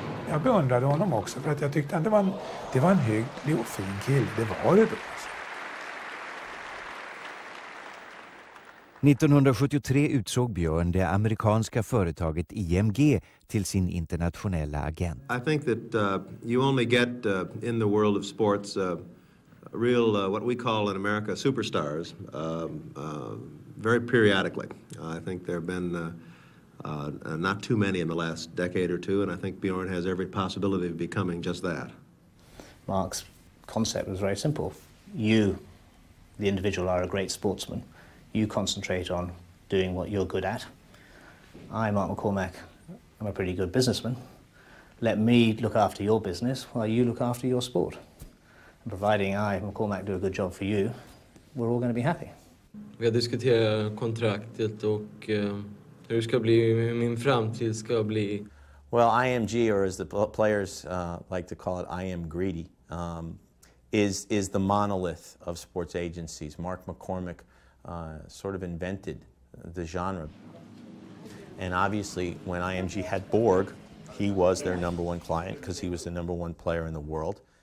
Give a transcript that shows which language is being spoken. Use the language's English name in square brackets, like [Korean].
[Swedish] Jag beundrade honom också för att jag tyckte att det var en hygglig och fin kille. Det var det då. 1973 utsåg Björn det amerikanska företaget IMG till sin internationella agent. [English] I think that you only get in the world of sports real what we call in America superstars very periodically. I think there've been not too many in the last decade or two, and I think Björn has every possibility of becoming just that. Mark's concept was very simple. You, the individual, are a great sportsman. You concentrate on doing what you're good at. I, Mark McCormack, I'm a pretty good businessman. Let me look after your business while you look after your sport. And providing I, McCormack, do a good job for you, we're all going to be happy. [Swedish] Vi har diskuterat kontraktet och hur ska bli min framtid ska bli. [English] Well, IMG, or as the players like to call it, I am greedy, is the monolith of sports agencies. Mark McCormack sort of invented the genre. And obviously when IMG had Borg, he was their number one client because he was the number one player in the world.